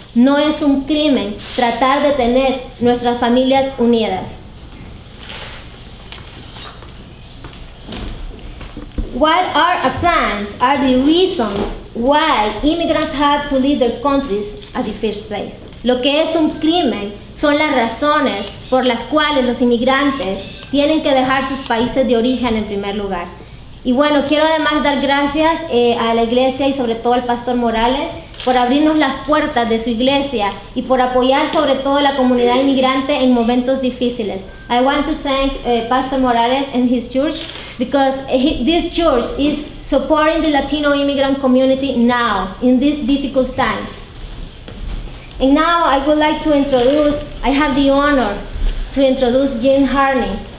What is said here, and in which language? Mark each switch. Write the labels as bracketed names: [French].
[Spanish] No es un crimen tratar de tener nuestras familias unidas. [English] What are our crimes are the reasons why immigrants have to leave their countries at the first place. [Spanish] Lo que es un crimen son las razones por las cuales los inmigrantes tienen que dejar sus países de origen en primer lugar. Y bueno, quiero además dar gracias a la iglesia y sobre todo al Pastor Morales por abrirnos las puertas de su iglesia y por apoyar sobre todo la comunidad inmigrante en momentos difíciles. [English] I want to thank Pastor Morales and his church because this church is supporting the Latino immigrant community now in these difficult times. And now I would like to introduce, I have the honor to introduce Jim Harney.